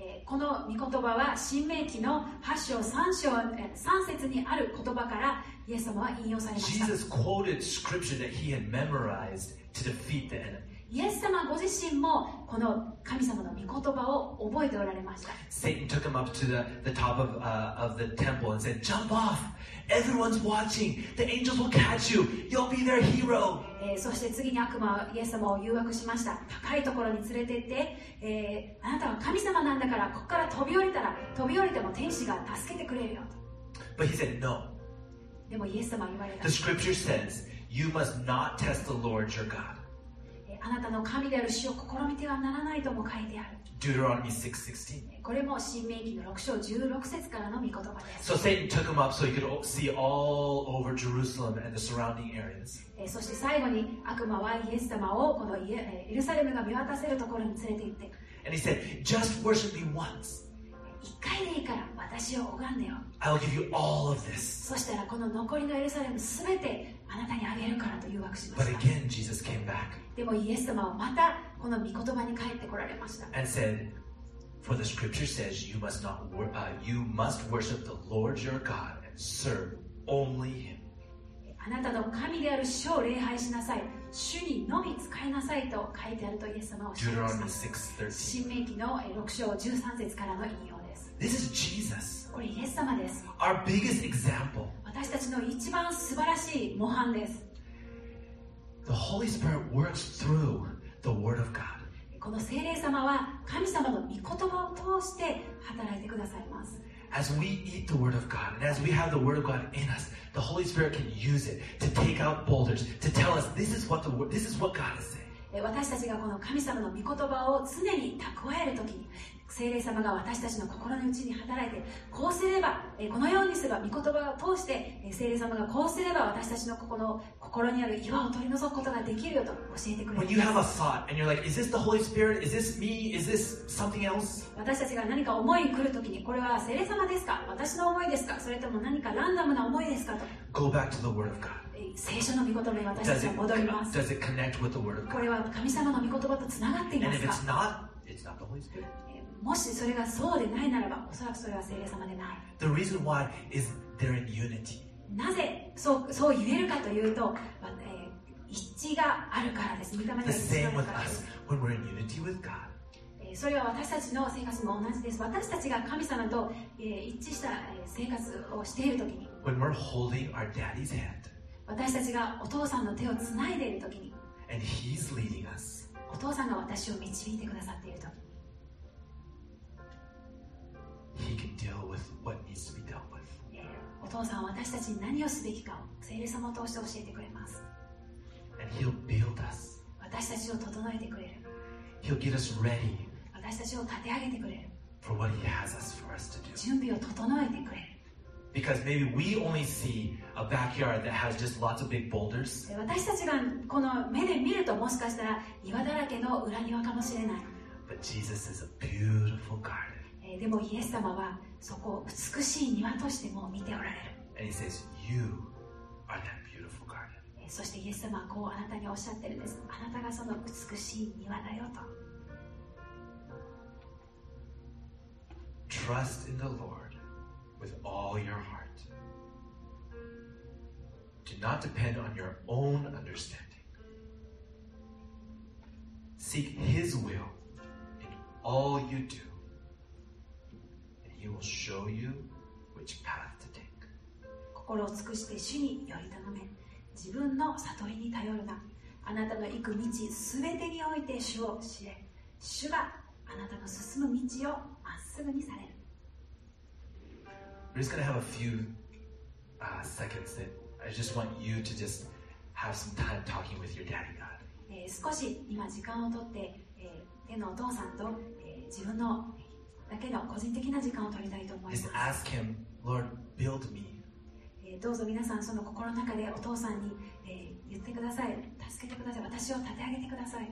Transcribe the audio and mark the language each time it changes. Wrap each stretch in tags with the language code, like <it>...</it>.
<ja>この御言葉は新命記の8章3章3節にある言葉からイエス様は引用されました。</ja> <en>Jesus quoted scripture that he had memorized to defeat the enemy.</en> <ja>イエス様ご自身もこの神様の御言葉を覚えておられました。</ja> <en>Satan took him up to the top of the temple and said, "Jump off! Everyone's watching. The angels will catch you. You'll be their hero."</en> <ja>そして次に悪魔はイエス様を誘惑しました。高いところに連れて行って、あなたは神様なんだからここから飛び降りても天使が助けてくれるよと。</ja> <en>But he said no.</en> <ja>でもイエス様は言われた。</ja> <en>The scripture says, "You must not test the Lord your God."</en> <ja>あなたの神である主を試みてはならないとも書いてある。</ja> <en>Deuteronomy 6:16.</en> <ja>これも新命記の6章16節からの御言葉です。</ja> <en>So Satan took him up so he could see all over Jerusalem and the surrounding areas.</en> <ja>そして最後に悪魔はイエス様をこのエルサレムが見渡せるところに連れて行って。</ja> <en>And he said, "Just worship me once."</en> <ja>一回でいいから私を拝んでよ。</ja> <en>I'll give you all of this.</en> <ja>そしたらこの残りのエルサレムすべてあなたにあげるからと誘惑しました。</ja> <en>But again, Jesus came back.</en> <ja>でもイエス様はまたこの御言葉に帰ってこられました。</ja> <en>And said, For the scripture says, you must worship the Lord your God and serve only him. あ</en> <ja>あなたの神である主を礼拝しなさい、主にのみ使いなさいと書いてあるとイエス様は教えました。新命記の6章13節からの引用です。</ja> <en>This is Jesus.</en> <ja>これイエス様です。</ja> <en>Our biggest example.</en> <ja>私たちの一番素晴らしい模範です。</ja> <en>The Holy Spirit works through the Word of God.</en> <ja>この聖霊様は神様の御言葉を通して働いてくださいます。</ja> <en>As we eat the Word of God, and as we have the Word of God in us, the Holy Spirit can use it to take out boulders, to tell us this is what God is saying.</en> <ja>私たちがこの神様の御言葉を常に蓄えるとき、聖霊様が私たちの心の内に働いて、こうすれば、このようにすれば御言葉を通して、聖霊様がこうすれば私たちの心にある岩を取り除くことができるよと教えてくれる。</ja> <en>When you have a thought and you're like, is this the Holy Spirit? Is this me? Is this something else?</en> <ja>私たちが何か思いに来るときに、これは聖霊様ですか？私の思いですか？それとも何かランダムな思いですか？と。</ja> <en>Go back to the Word of God.</en> <ja>聖書の御言葉に私たちは戻ります。</ja> <en>Does it connect with the Word of God?</en> <ja>これは神様の御言葉とつながっていますか？</ja> <en>And if it's not, it's not the Holy Spirit.</en> <ja>もしそれがそうでないならば、おそらくそれは聖霊様でない。</ja> <en>The reason why is they're in unity.</en> <ja>なぜそう言えるかというと、一致があるからです。御霊が一致があるからです。</ja> <en>The same with us when we're in unity with God.</en> <ja>それは私たちの生活も同じです。私たちが神様と一致した生活をしているときに、</ja> <en>when we're holding our daddy's hand.</en> <ja>私たちがお父さんの手をつないでいるときに、</ja> <en>and he's leading us.</en> <ja>お父さんが私を導いてくださっているとき、</ja> <en>He can deal with what needs to be dealt with.</en> <ja>お父さんは私たちに何をすべきかを聖霊様を通して教えてくれます。</ja> <en>And he'll build us.</en> <ja>私たちを整えてくれる。</ja> <en>He'll get us ready.</en> <ja>私たちを立て上げてくれる。</ja> <en>For what he has us for us to do.</en> <ja>準備を整えてくれる。</ja> <en>Because maybe we only see a backyard that has just lots of big boulders.</en> <ja>私たちがこの目で見るともしかしたら岩だらけの裏庭かもしれない。</ja> <en>But Jesus is a beautiful garden.</en> <ja>でもイエス様はそこを美しい庭としても見ておられる。</ja> <en>And he says, you are that beautiful garden.</en> <ja>そしてイエス様はこうあなたにおっしゃってるんです。あなたがその美しい庭だよと。</ja> <en>Trust in the Lord with all your heart. Do not depend on your own understanding. Seek his will in all you do. He will show you which path to take.</en> <ja>心を尽くして主により頼め、自分の悟りに頼るな。あなたの行く道すべてにおいて主を知れ、主があなたの進む道をまっすぐにされる。</ja> <en>We're just gonna have a few seconds that I just want you to just have some time talking with your daddy God.</en> <ja>少し今時間を取って、手のお父さんと、自分のだけの個人的な時間を取りたいと思います。</ja> <en>Ask him, Lord, build me.</en> <ja>どうぞ皆さんその心の中でお父さんに、言ってください。助けてください。私を立て上げてください。</ja>